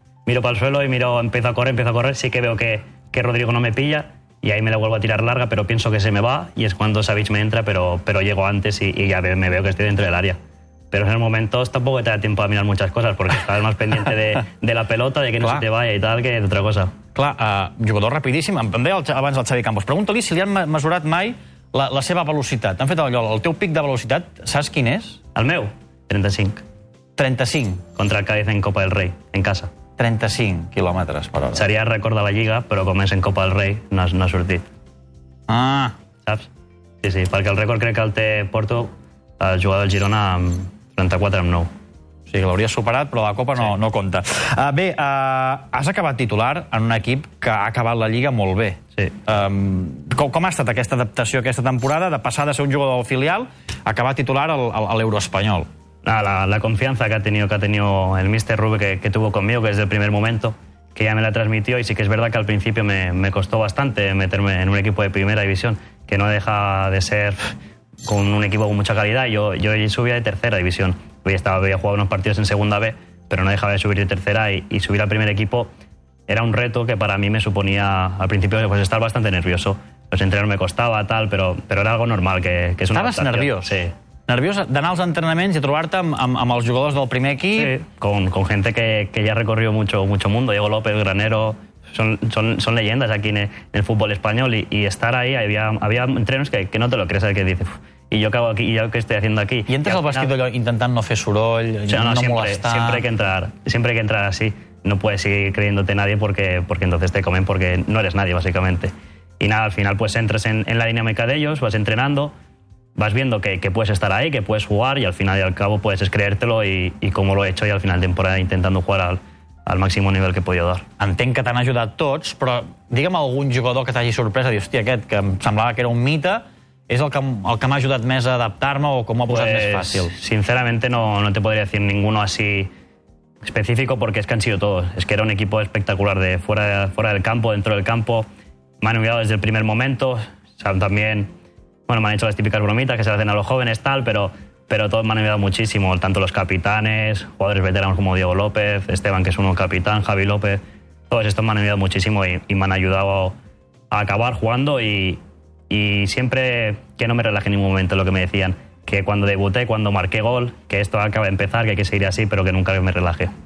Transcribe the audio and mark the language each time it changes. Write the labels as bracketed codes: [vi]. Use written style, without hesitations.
[es] Miro pel suelo y miro, empiezo a correr, sí que veo que Rodrigo no me pilla y ahí me la vuelvo a tirar larga, pero pienso que se me va y es cuando Savic me entra, pero llego antes y ya me veo que estoy dentro del área. Pero en el momento tampoco te da tiempo a mirar muchas cosas porque estás más pendiente de la pelota, de que no se te vaya y tal, que [ca] d'altra cosa. Clar, jugador rapidíssim. Em deia abans el Xavi Campos, pregunta-li si li han mesurat mai la seva velocitat. T'han fet allò, el teu pic de velocitat, saps quin és? El meu? 35. 35? [es] Contra el Cádiz en Copa del Rey, en casa. [ca] 35 quilòmetres per hora. Seria rècord de la Lliga, però com és en Copa del Rey, no ha sortit. Ah! Saps? Sí, sí, perquè el rècord crec que el té Porto, el jugador del Girona... 34-9. O sigui, l'hauria superat, però la Copa no, sí, no compta. Has acabat titular en un equip que ha acabat la Lliga molt bé. Sí. Com ha estat aquesta adaptació, aquesta temporada, de passar de ser un jugador del filial a acabar titular a l'Euroespanyol? [es] La confiança que ha tenido el míster Rube que tuvo conmigo, que desde el primer momento, que ya me la transmitió, y sí que es verdad que al principio me costó bastante meterme en un equipo de primera división, que no deja de ser... con un equipo con mucha calidad. Yo subía de tercera división, había jugado unos partidos en segunda B, pero no dejaba de subir de tercera y subir al primer equipo era un reto que para mí me suponía al principio pues estar bastante nervioso, los entrenos me costaba tal, pero era algo normal que es una adaptación. ¿Estabas nervioso? Sí. [ca] ¿Nervioso d'anar als entrenaments i trobar-te amb els jugadors del primer equip? [es] Sí, con gente que ya ha recorrido mucho mundo, Diego López, Granero, son leyendas aquí en el fútbol español y estar ahí, había entrenos que no te lo crees, el que dice, y yo acabo aquí, y yo qué estoy haciendo aquí. ¿Y entras [ca] al bàsquet intentant no fer soroll, molestar? [es] Siempre hay que entrar así, no puedes seguir creyéndote nadie porque entonces te comen, porque no eres nadie básicamente. Y nada, al final pues entras en la dinámica de ellos, vas entrenando, vas viendo que puedes estar ahí, que puedes jugar, y al final y al cabo puedes creértelo y como lo he hecho, y al final de temporada intentando jugar al máximo nivel que he podido dar. [ca] Entenc que t'han ajudat tots, però digue'm algun jugador que t'hagi sorprès, a dir, hòstia, aquest, que em semblava que era un mite, és el que m'ha ajudat més a adaptar-me o com ho ha posat [es] pues, [ca] més fàcil? [es] Sinceramente no te podría decir ninguno así específico, porque es que han sido todos. Es que era un equipo espectacular de fuera del campo, dentro del campo. Me han ayudado desde el primer momento. O sea, también, bueno, me han hecho las típicas bromitas que se hacen a los jóvenes, tal, pero todos me han ayudado muchísimo, tanto los capitanes, jugadores veteranos como Diego López, Esteban, que es uno capitán, Javi López, todos estos me han ayudado muchísimo y me han ayudado a acabar jugando y siempre que no me relaje en ningún momento, lo que me decían, que cuando debuté, cuando marqué gol, que esto acaba de empezar, que hay que seguir así, pero que nunca me relaje.